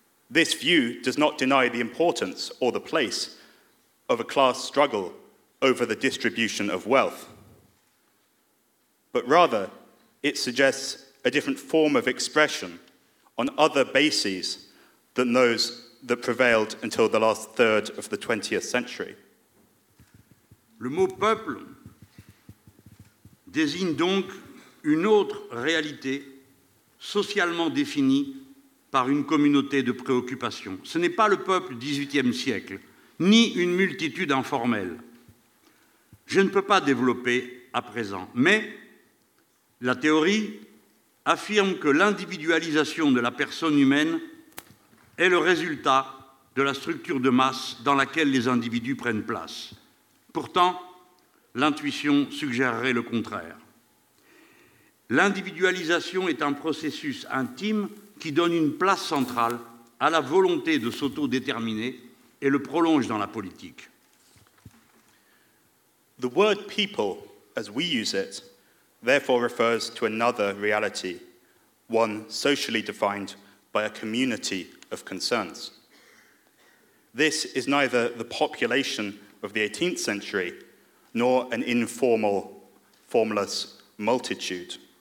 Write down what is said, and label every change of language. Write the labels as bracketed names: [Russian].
[English] This view does not deny the importance or the place of a class struggle over the distribution of wealth. But rather, it suggests a different form of expression on other bases than those that prevailed until the last third of the 20th century. [French] Le mot peuple désigne donc une autre réalité socialement définie par une communauté de préoccupations. Ce n'est pas le peuple du XVIIIe siècle, ni une multitude informelle. Je ne peux pas développer à présent, mais la théorie affirme que l'individualisation de la personne humaine est le résultat de la structure de masse dans laquelle les individus prennent place. Pourtant, l'intuition suggérerait le contraire. L'individualisation est un processus intime qui donne une place centrale à la volonté de s'autodéterminer et le prolonge dans la politique. [English] The word people, as we use it, therefore refers to another reality, one socially defined by a community of concerns. This is neither the population of the 18th century nor an informal, formless multitude.